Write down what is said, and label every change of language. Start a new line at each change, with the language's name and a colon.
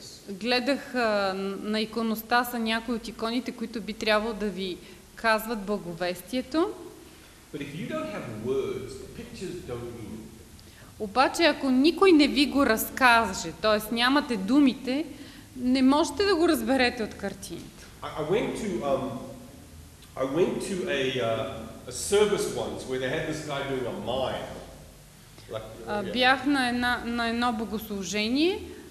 Bulgarian: Гледах на иконостаса някои от иконите, които би трябвало да ви казват благовестието.
English: But if you don't have words, the pictures don't mean.
Bulgarian: Обаче ако никой не ви го разкаже, т.е. нямате думите, не можете да го разберете от картините.
English: I went to a service once where they had this guy doing a mime.
Bulgarian: Бях на едно богослужение.